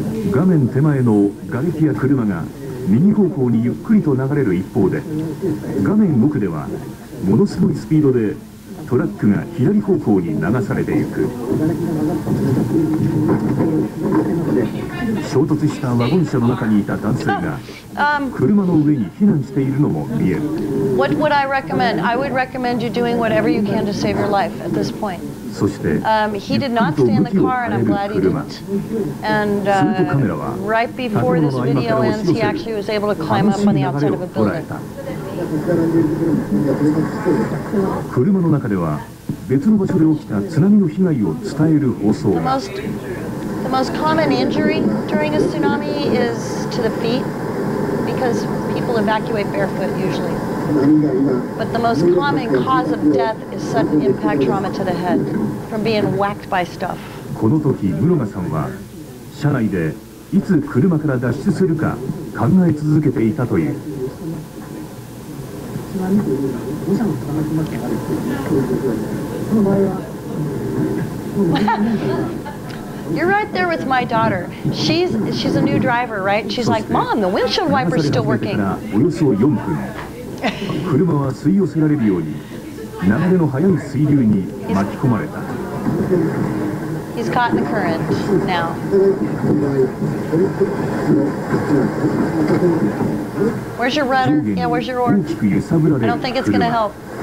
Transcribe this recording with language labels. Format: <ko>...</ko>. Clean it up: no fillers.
<ja>画面手前の瓦礫や車が右方向にゆっくりと流れる一方で、画面奥ではものすごいスピードでトラックが左方向に流されていく。衝突したワゴン車の中にいた男性が車の上に避難しているのも見える。</ja> <en>What would I recommend? I would recommend you doing whatever you can to save your life at this point.</en> <ja>そして、</ja> <en>he did not stay in the car and I'm glad he didn't. And right before this video ends, he actually was able to climb up on the outside of a building.</en> <ja>車の中では別の場所で起きた津波の被害を伝える放送。</ja> <en>The most common injury during a tsunami is to the feet because people evacuate barefoot usually. But the most common cause of death is sudden impact trauma to the head from being whacked by stuff.</en> <ja>この時室賀さんは車内でいつ車から脱出するか考え続けていたという。</ja> <en>You're right there with my daughter. She's a new driver, right? She's like, Mom, the windshield wiper's still working.</en> <ja>およそ4分、車は吸い寄せられるように流れの速い水流に巻き込まれた。</ja> <en>He's caught in the current now. Where's your rudder? Yeah, where's your oar? I don't think it's going to help.</en>